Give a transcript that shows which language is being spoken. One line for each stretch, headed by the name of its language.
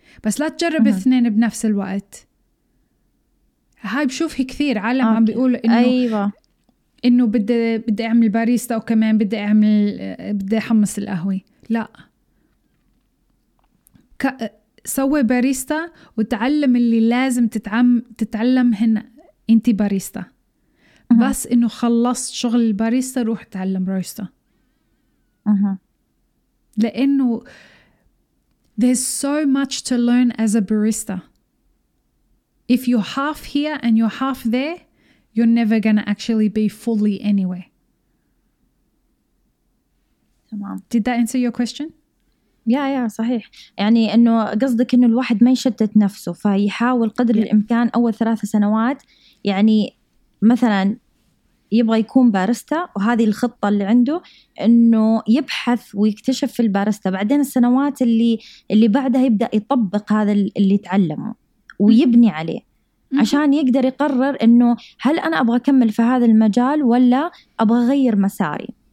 Arabic: بس لا تجرب اثنين بنفس الوقت. هاي بشوفه كثير عالم عم بيقول إنه أيوة. إنه بدي أعمل باريستا أو كمان بدي أعمل بدي أحمص القهوة. لا. سوي باريستا وتعلم اللي لازم تتعلم هنا. انت باريستا بس انه خلصت شغل الباريستا روح تعلم رويستا لانه
English: there's so much to learn as a barista if you're half here and you're half there you're never gonna actually be fully anyway. Did that answer your question?
Arabic: Yeah صحيح. يعني انه قصدك انه الواحد ما يشتت نفسه فيحاول قدر الامكان اول 3 سنوات يعني مثلا يبغى يكون بارستا وهذه الخطة اللي عنده انه يبحث ويكتشف في البارستا بعدين السنوات اللي بعدها يبدأ يطبق هذا اللي تعلمه ويبني عليه عشان يقدر يقرر انه هل انا ابغى اكمل في هذا المجال ولا ابغى اغير مساري.